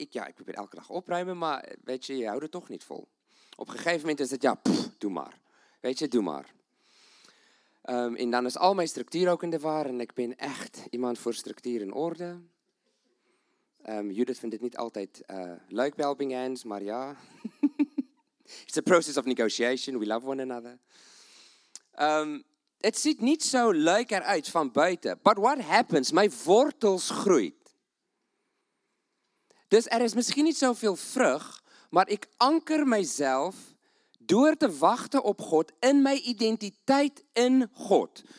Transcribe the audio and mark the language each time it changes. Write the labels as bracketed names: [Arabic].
[Dutch] Ik probeer elke dag opruimen, maar weet je houdt het toch niet vol. Op een gegeven moment is het, ja, pff, doe maar. Weet je, doe maar. En dan is al mijn structuur ook in de war en ik ben echt iemand voor structuur en orde. Judith vindt het niet altijd leuk bij helping hands, maar ja. [English] It's a process of negotiation, we love one another. [Dutch] Het ziet niet zo leuk eruit van buiten. [English] But what happens? [Dutch] Mijn wortels groeit. Dus er is misschien niet zoveel vrucht, maar ik anker mijzelf door te wachten op God en mijn identiteit in God.